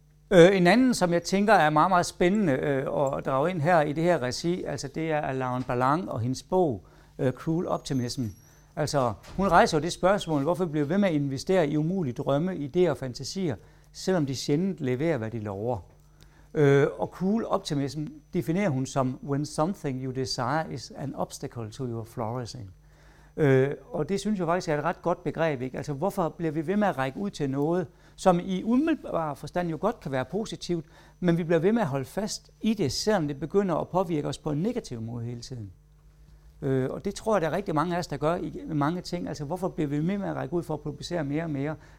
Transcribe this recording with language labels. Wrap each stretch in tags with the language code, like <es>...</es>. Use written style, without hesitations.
<da>En anden, som jeg tænker er meget, meget spændende at drage ind her i det her regi, altså det er Lauren Ballant og hendes bog, Cruel Optimism. Altså, hun rejser jo det spørgsmål, hvorfor vi bliver ved med at investere i umulige drømme, idéer og fantasier, selvom de sjældent leverer, hvad de lover. Og Cruel Optimism definerer hun som,</da> <en>when something you desire is an obstacle to your flourishing.</en> <da>Og det synes jeg faktisk er et ret godt begreb, ikke? Altså, hvorfor bliver vi ved med at række ud til noget, som i umiddelbar forstand jo godt kan være positivt, men vi bliver ved med at holde fast i det, selvom det begynder at påvirke os på en negativ måde hele tiden. Og det tror jeg, der er rigtig mange af os, der gør i mange ting. Altså, hvorfor bliver vi ved med at række ud for at publicere mere og mere?</da>